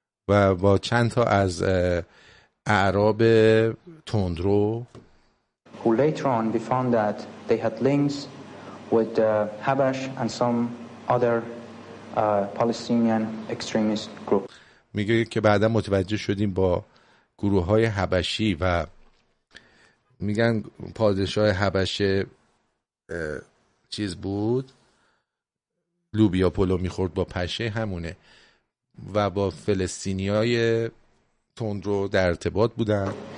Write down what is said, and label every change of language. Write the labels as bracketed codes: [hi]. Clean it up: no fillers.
[fa] و با چند تا از اعراب تندرو [en] who later on we found that they had links with Habash and some other Palestinian extremist group. [fa] میگه که بعدا متوجه شدیم با گروه های حبشی و میگن پادشاه حبشه چیز بود لوبیا پلو میخورد با پشه همونه و با فلسطینیای تندرو در ارتباط بودن.